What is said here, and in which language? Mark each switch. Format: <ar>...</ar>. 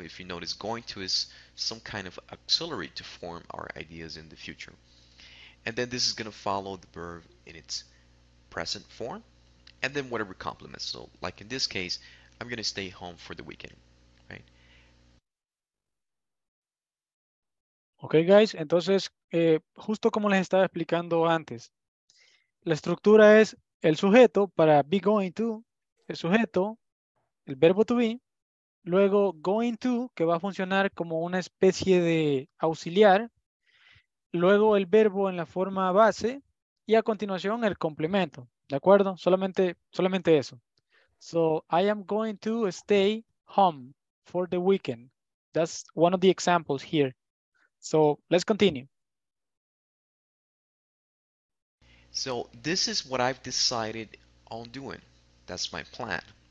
<en>If you notice, going to is some kind of auxiliary to form our ideas in the future. And then this is gonna follow the verb in its present form, and then whatever complements. So like in this case, I'm gonna stay home for the weekend.</en> <es>Ok, guys, entonces, justo como les estaba explicando antes, la estructura es el sujeto para be going to, el sujeto, el verbo to be, luego going to, que va a funcionar como una especie de auxiliar, luego el verbo en la forma base, y a continuación el complemento, ¿de acuerdo? Solamente eso.</es> <en>So, I am going to stay home for the weekend. That's one of the examples here. So let's continue. So this is what I've decided on doing. That's my plan.</en>